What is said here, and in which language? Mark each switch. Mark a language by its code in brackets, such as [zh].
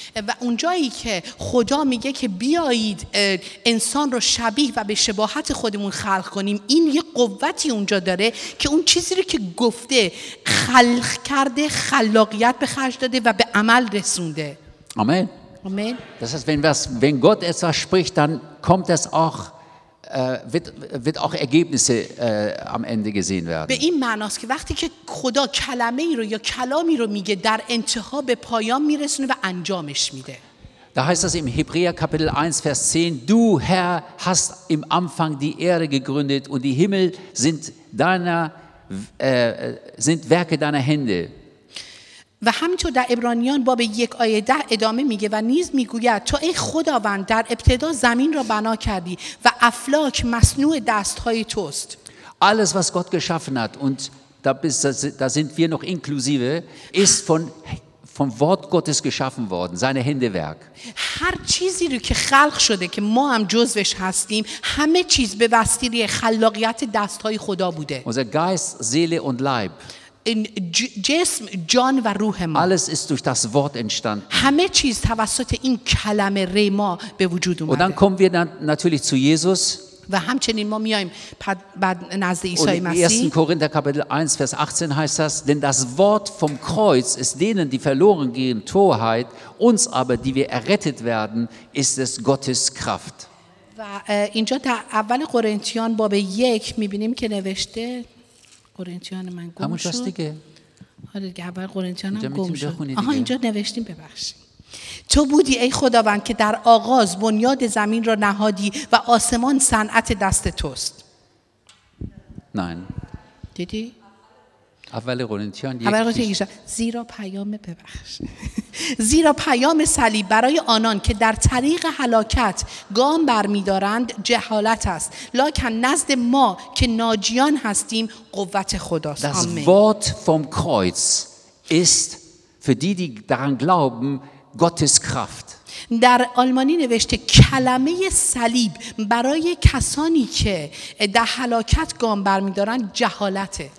[fa] و اونجایی که خدا میگه که بیایید انسان رو شبیه و به شباهت خودمون خلق کنیم این یه قوتی اونجا داره که اون چیزی رو که گفته خلق کرده خلاقیت به خرج داده و به عمل رسونده آمین آمین [de] Das heißt, wenn Gott etwas spricht, dann kommt das auch wird auch Ergebnisse am Ende gesehen werden. [fa] به این معناست که وقتی که خدا کلمه‌ای رو یا کلامی رو میگه در انتها به پایان میرسونه و انجامش میده. [de] Da heißt es im Hebräer Kapitel 1 Vers 10: Du Herr hast im Anfang die Erde gegründet und die Himmel sind Werke deiner Hände. [fa] و همینطور در عبرانیان باب 1 آیه 10 ادامه میگه و نیز میگوید تو ای خداوند در ابتدا زمین را بنا کردی و افلاک مصنوع دستهای توست. [de] Alles was Gott geschaffen hat und da sind wir noch inklusive ist vom Wort Gottes geschaffen worden, seine Händewerk. [fa] هر چیزی رو که خلق شده که ما هم جزوش هستیم همه چیز به وسیله خلاقیت دستهای خدا بوده. [de] Unser Geist, Seele und Leib. [fa] In جسم جان و روح ما [de] alles ist durch das Wort entstanden [fa] همه چیز توسط این کلمه ریما به وجود اومده [de] und dann kommen wir dann natürlich zu Jesus [fa] و همچنین ما میایم بعد نزد عیسی مسیح [de] und in 1. Korinther Kapitel 1 Vers 18 heißt das denn das Wort vom Kreuz ist denen die verloren gehen Torheit uns aber die wir errettet werden ist es Gottes Kraft [fa] و اینجا تا اول قرنتیان باب 1 میبینیم که نوشته قرنتیان من گم شد. حالا دیگه اول قرنتیان هم گم شد. آها اینجا نوشتیم ببخشید. تو بودی ای خداوند که در آغاز بنیاد زمین را نهادی و آسمان صنعت دست توست. نه. دیدی؟ اول قرنتیان یک. اول قرنتیان یک. زیرا پیام ببخش. زیرا پیام صلیب برای آنان که در طریق هلاکت گام برمی‌دارند جهالت است لکن نزد ما که ناجیان هستیم قوت خداست [de] Das Wort vom Kreuz ist für die, die daran glauben, Gottes Kraft. [fa] در آلمانی نوشته کلمه صلیب برای کسانی که در هلاکت گام برمی‌دارند جهالت